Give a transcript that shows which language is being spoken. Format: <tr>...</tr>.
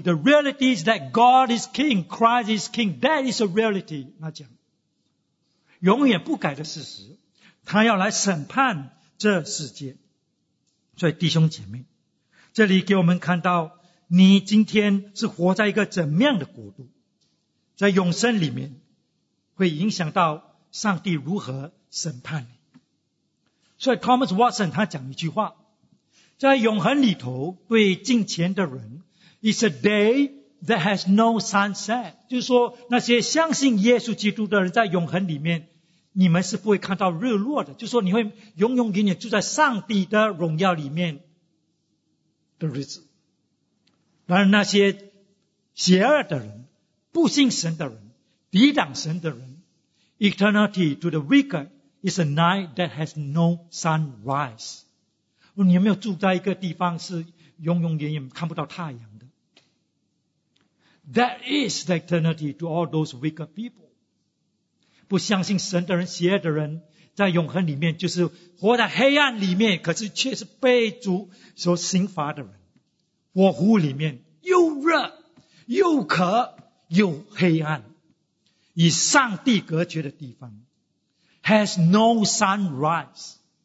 <en>The reality is that God is King, Christ is King, that is a reality.</en> <zh>那讲永远不改的事实，他要来审判这世界。所以弟兄姐妹，这里给我们看到你今天是活在一个怎么样的国度，在永生里面会影响到上帝如何审判你。所以 Thomas Watson 他讲一句话，在永恒里头对敬虔的人，</zh> <en>It's a day that has no sunset，</en> <zh>就是说那些相信耶稣基督的人在永恒里面，你们是不会看到日落的，就是说你会永永远远住在上帝的荣耀里面的日子。然而那些邪恶的人、不信神的人、抵挡神的人，</zh> <en>Eternity to the wicked is a night that has no sunrise。</en> <zh>你有没有住在一个地方是永永远远看不到太阳的？</zh> <en>That is the eternity to all those wicked people.</en> <zh>不相信神的人、邪的人，在永恒里面就是活在黑暗里面，可是却是被主所刑罚的人。火湖里面又热又渴又黑暗，与上帝隔绝的地方 ，</zh> <en>has no sunrise。</en>